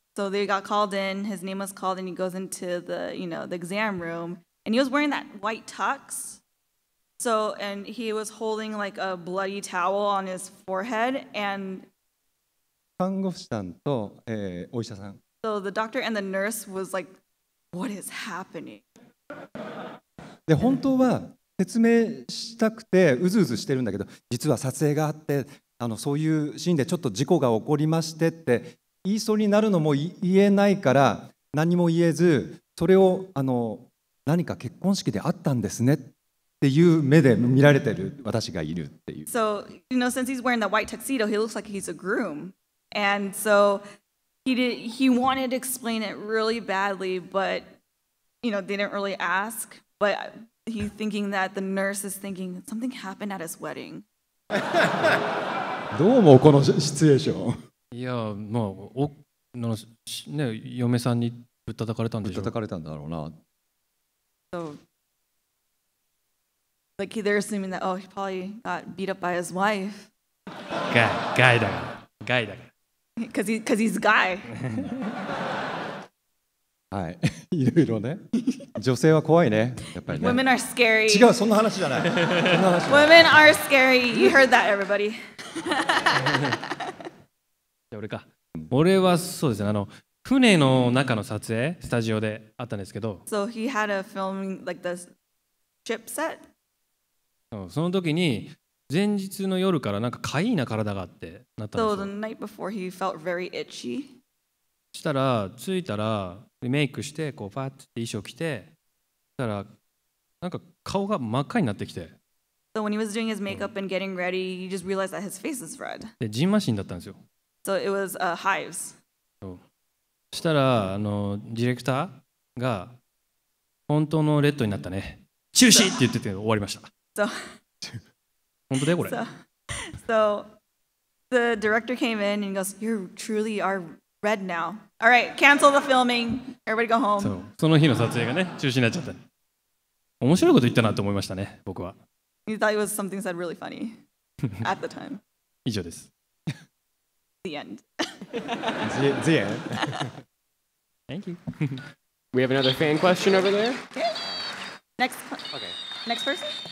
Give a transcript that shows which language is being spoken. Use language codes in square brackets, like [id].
[en] So they got called in, his name was called, and he goes into the, you know, the exam room, and he was wearing that white tux. So, and he was holding like a bloody towel on his forehead, and [ja] 看護婦さんと、お医者さん。 [en] So the doctor and the nurse was like, "What is happening?" [ja] で本当は説明したくてうずうずしてるんだけど、実は撮影があってあのそういうシーンでちょっと事故が起こりましてって言いそうになるのも言えないから何も言えず、それをあの何か結婚式であったんですねっていう目で見られてる私がいるっていう。 [en] So you know, since he's wearing that white tuxedo, he looks like he's a groom, and so. He wanted to explain it really badly, but you know, they didn't really ask. But he's thinking that the nurse is thinking something happened at his wedding. [ja] どうもこのシチュエーション。いや、まあ、おのね、嫁さんにぶったたかれたんでしょ。ぶったたかれたんだろうな。 [en] So, like they're assuming that, oh, he probably got beat up by his wife. [ja] ガイだから。ガイだから。 [en] Because he's a guy. [ja] はい、いろいろね。女性は怖いね、やっぱりね。 [en] Women are scary. [ja] 違う、そんな話じゃない。 [en] Women are scary. You heard that, everybody. [ja] じゃあ俺か。俺はそうですね、あの船の中の撮影、スタジオであったんですけど。 [en] So he had a filming, like the ship set? [ja] その時に、前日の夜からなんか痒いな体がってなったんですよ。 [en] So the night before he felt very itchy. [ja] したら、着いたら、メイクして、こうパッて衣装着て、したら、なんか顔が真っ赤になってきて。 [en] So when he was doing his makeup and getting ready, he just realized that his face is red. [ja] で、ジンマシンだったんですよ。 [en] So it was hives. [ja] そう。したら、あの、ディレクターが、本当のレッドになったね。中止って言ってて終わりました。 [en] So [ja] 本当だよ、これ。 [en] So the director came in and goes, you truly are... Red now. All right, cancel the filming. Everybody go home. [ja] そう、その日の撮影がね、中止になっちゃった。面白いこと言ったなと思いましたね、僕は。 [en] You thought it was something said really funny at the time. [ja] 以上です。 [en] The end. the end. Thank you. We have another fan question over there. Next. Okay. Next person.